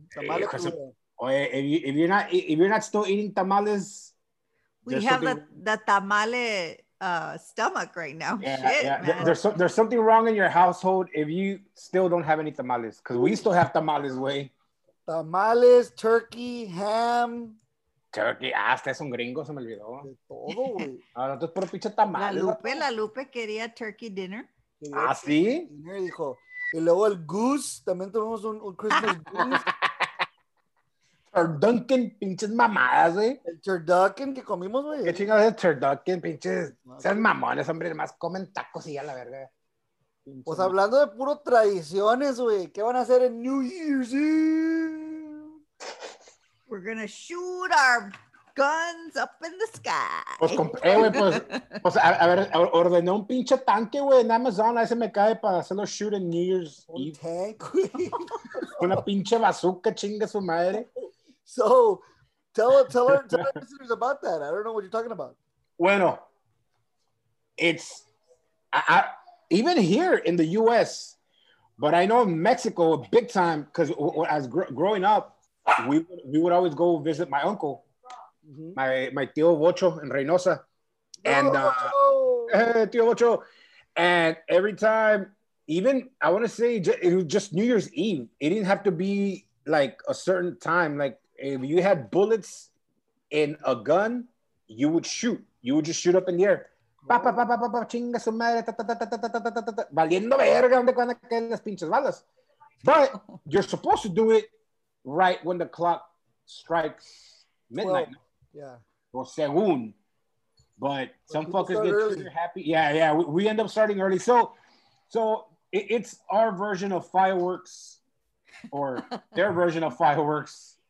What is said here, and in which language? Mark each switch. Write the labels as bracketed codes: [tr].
[es] Tamale cruda. [en] Oye, if you're not still eating tamales. We have the tamale stomach right now. Yeah, shit, yeah. Man. There's something wrong in your household if you still don't have any tamales. Because we still have tamales, güey. Tamales, turkey, ham. [es] Turkey, hasta es un gringo, se me olvidó. De todo, güey. Ahora tú es puro pinche tamales. La Lupe quería turkey dinner. Ah, sí. Dijo. Y luego el goose, también tuvimos un Christmas goose. Turducken, pinches mamadas, güey. El turducken que comimos, güey. Qué chingados es turducken, pinches. No, sean mamones, hombre, más comen tacos y ya la verga. Pues hablando de puro tradiciones, güey, ¿qué van a hacer en New Year's Eve? [en] We're gonna shoot our guns up in the sky. [es] Pues compré, güey, pues a ver, ordené un pinche tanque, güey, en Amazon, ahí se me cae para hacer los shoot en New Year's Eve. Un tank, güey. Una pinche bazooka, chinga su madre. [en] So, tell our listeners about that. I don't know what you're talking about. Bueno, it's even here in the U.S., but I know Mexico big time because as growing up, we would always go visit my uncle, my tío Bocho in Reynosa, and tío Bocho, and every time, even I want to say it was just New Year's Eve. It didn't have to be like a certain time, like. If you had bullets in a gun, you would shoot. You would just shoot up in the air. [es] Pa pa pa pa pa pa chinga su madre. Valiendo verga, ¿dónde van a caer las pinches balas? [en] But you're supposed to do it right when the clock strikes midnight. Well, yeah. Well, según. But some fuckers get too happy. Yeah, yeah. We end up starting early. So it's our version of fireworks, or their version of fireworks.